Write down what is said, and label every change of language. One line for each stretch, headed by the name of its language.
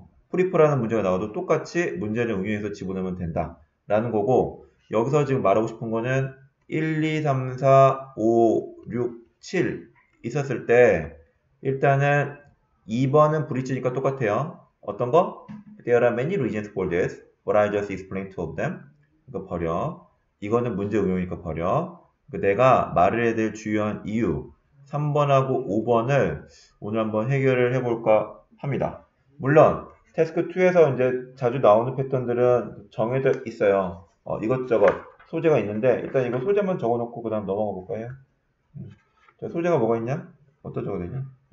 Korean: prefer라는 문제가 나와도 똑같이 문제를 응용해서 집어넣으면 된다. 라는 거고, 여기서 지금 말하고 싶은 거는, 1, 2, 3, 4, 5, 6, 7 있었을 때, 일단은 2번은 브릿지니까 똑같아요. 어떤 거?
English: There are many reasons for this, but I just explained two of them.
Korean: 이거 버려. 이거는 문제 응용이니까 버려. 내가 말을 해야 될 주요한 이유, 3번하고 5번을 오늘 한번 해결을 해볼까 합니다. 물론 태스크 2에서 이제 자주 나오는 패턴들은 정해져 있어요. 이것저것 소재가 있는데, 일단 이거 소재만 적어놓고 그다음 넘어가 볼까요? 자, 소재가 뭐가 있냐? 어떤 적어야 되냐?